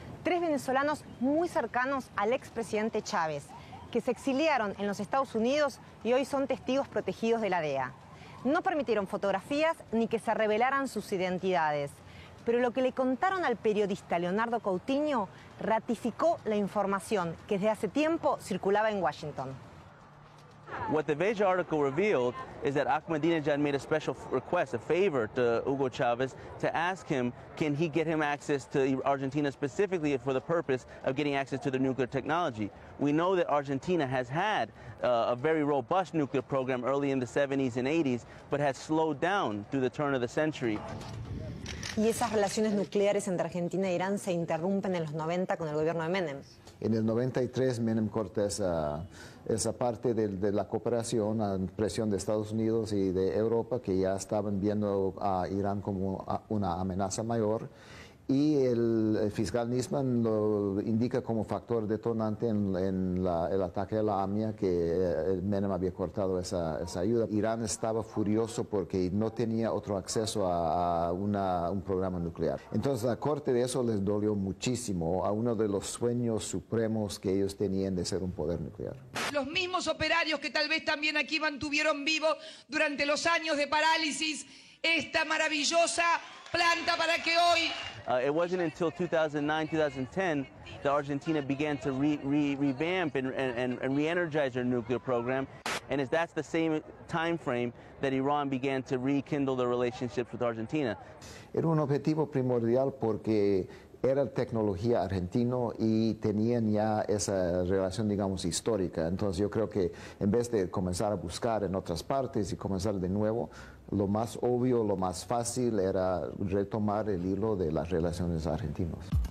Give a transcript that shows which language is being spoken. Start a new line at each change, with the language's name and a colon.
Spanish: Tres venezolanos muy cercanos al expresidente Chávez, que se exiliaron en los Estados Unidos y hoy son testigos protegidos de la DEA. No permitieron fotografías ni que se revelaran sus identidades. Pero lo que le contaron al periodista Leonardo Coutinho ratificó la información que desde hace tiempo circulaba en Washington.
English: What the Veja article revealed is that Ahmadinejad made a special request, a favor to Hugo Chávez, to ask him, can he get him access to Argentina specifically for the purpose of getting access to the nuclear technology. We know that Argentina has had a very robust nuclear program early in the 70s and 80s, but has slowed down through the turn of the century.
Spanish: ¿Y esas relaciones nucleares entre Argentina e Irán se interrumpen en los 90 con el gobierno de Menem? En el 93 Menem corta esa parte de la cooperación a presión de Estados Unidos y de Europa, que ya estaban viendo a Irán como una amenaza mayor. Y el fiscal Nisman lo indica como factor detonante en el ataque a la AMIA, que Menem había cortado esa ayuda. Irán estaba furioso porque no tenía otro acceso a un programa nuclear. Entonces la corte de eso les dolió muchísimo, a uno de los sueños supremos que ellos tenían de ser un poder nuclear. Los mismos operarios que tal vez también aquí mantuvieron vivo durante los años de parálisis esta maravillosa planta para que hoy...
English: It wasn't until 2009, 2010 that Argentina began to revamp and re-energize their nuclear program. And that's the same time frame that Iran began to rekindle their relationships with Argentina.
Spanish: Era un objetivo primordial porque era tecnología argentino y tenían ya esa relación, digamos, histórica. Entonces yo creo que en vez de comenzar a buscar en otras partes y comenzar de nuevo, lo más obvio, lo más fácil era retomar el hilo de las relaciones argentinas.